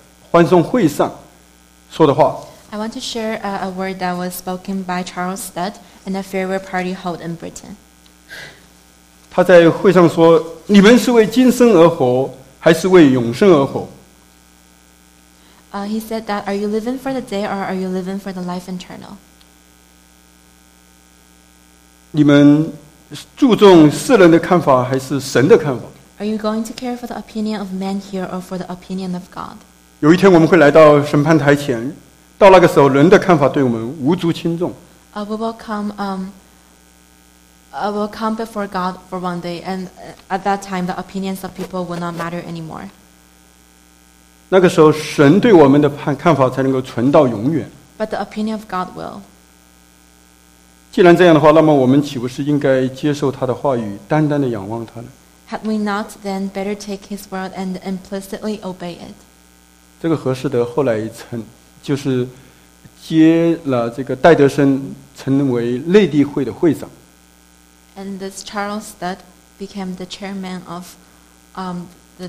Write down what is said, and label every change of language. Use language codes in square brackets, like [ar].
[zh] 这里我想跟大家分享，就是他们剑桥七杰之一的叫何士德的，他的在那个英国的宣教欢送会上说的话。 [en] I want to share a word that was spoken by Charles Studd in a farewell party held in Britain. [zh] 他在会上说：“你们是为今生而活，还是为永生而活？” [en] He said that, "Are you living for the day, or are you living for the life eternal?" [zh] 你们注重世人的看法，还是神的看法？ [en] Are you going to care for the opinion of man here, or for the opinion of God? [zh] 有一天，我们会来到审判台前，到那个时候，人的看法对我们无足轻重。 [en] I will come before God for one day, and at that time, the opinions of people will not matter anymore. [zh] 那个时候，神对我们的看法才能够存到永远。 [en] But the opinion of God will. [zh] 既然这样的话，那么我们岂不是应该接受他的话语，单单的仰望他呢？ [en] Had we not, then better take His word and implicitly obey it. [zh] 这个何士德后来成，就是接了这个戴德生，成为内地会的会长。 [en] And this Charles Studd became the chairman of the